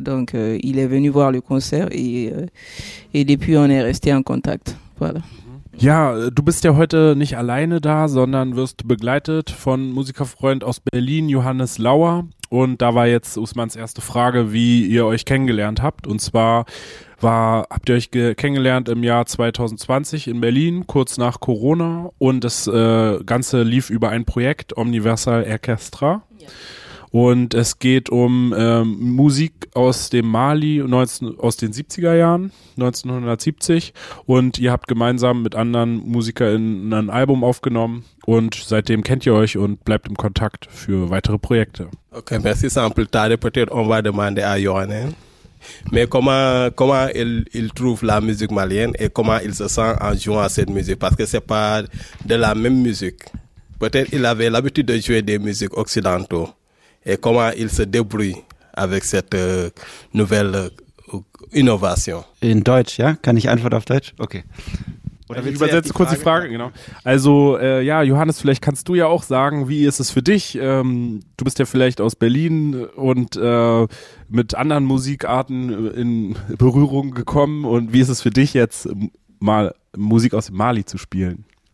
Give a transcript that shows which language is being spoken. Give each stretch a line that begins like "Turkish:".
French: Donc, il est venu voir le concert et depuis, on est resté en contact. Voilà.
German: Ja, du bist ja heute nicht alleine da, sondern wirst begleitet von Musikerfreund aus Berlin, Johannes Lauer. Und da war jetzt Usmans erste Frage, wie ihr euch kennengelernt habt. Und zwar habt ihr euch kennengelernt im Jahr 2020 in Berlin, kurz nach Corona. Und das Ganze lief über ein Projekt, Omniversal Orchestra. Ja. Und es geht um Musik aus dem Mali aus den 70er Jahren, 1970. Und ihr habt gemeinsam mit anderen MusikerInnen ein Album aufgenommen. Und seitdem kennt ihr euch und bleibt im Kontakt für weitere Projekte.
French: Okay, merci. Sans plus tarder, peut-être on va demander à Johannes. Mais comment il trouve la musique malienne et comment il se sent en jouant à cette musique? Parce que c'est pas de la même musique. Peut-être il avait l'habitude de jouer des musiques occidentaux. Et comment il se débrouille avec cette nouvelle innovation?
German: In Deutsch, ja? Kann ich antworten auf Deutsch? Okay. Oder ich übersetze kurz die Frage, genau. Also, ja, Johannes, vielleicht kannst du ja auch sagen, wie ist es für dich? Du bist ja vielleicht aus Berlin und mit anderen Musikarten in Berührung gekommen. Und wie ist es für dich jetzt, mal Musik aus Mali zu spielen?